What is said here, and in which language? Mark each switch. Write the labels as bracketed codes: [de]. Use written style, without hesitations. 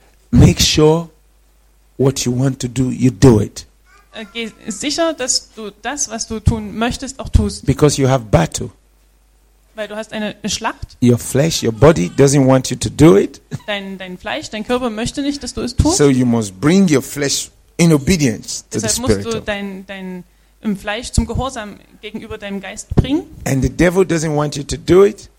[en] Make sure what you want to do, you do it. [de] Geh sicher, dass du das, was du tun möchtest, auch tust. [en] Because you have battle. [de] Weil du hast eine Schlacht. [en] Your flesh, your body doesn't want you to do it. [de] Dein Fleisch, dein Körper möchte nicht, dass du es tust. [en] So you must bring your flesh in obedience to the Spirit. [de] Deshalb musst du dein im Fleisch zum Gehorsam gegenüber deinem Geist bringen. [en] And the devil doesn't want you to do it.